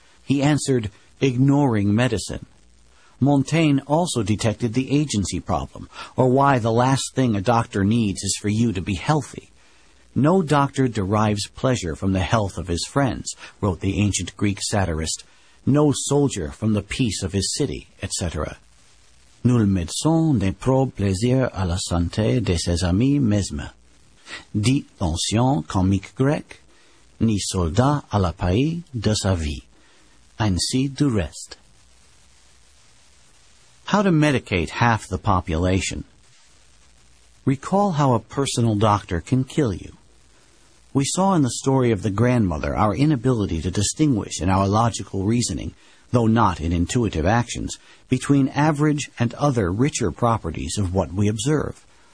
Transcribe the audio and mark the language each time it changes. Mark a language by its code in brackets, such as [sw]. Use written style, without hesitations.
[en] He answered, ignoring medicine. Montaigne also detected the agency problem, or why the last thing a doctor needs is for you to be healthy. No doctor derives pleasure from the health of his friends, wrote the ancient Greek satirist, no soldier from the peace of his city, etc. [fr] Nul médecin ne prend plaisir à la santé de ses amis mesme. Dit l'ancien comique grec, ni soldat à la paix de sa vie. Ainsi du reste. [en] How to medicate half the population. Recall how a personal doctor can kill you. We saw in the story of the grandmother our inability to distinguish in our logical reasoning, though not in intuitive actions, between average and other richer properties of what we observe.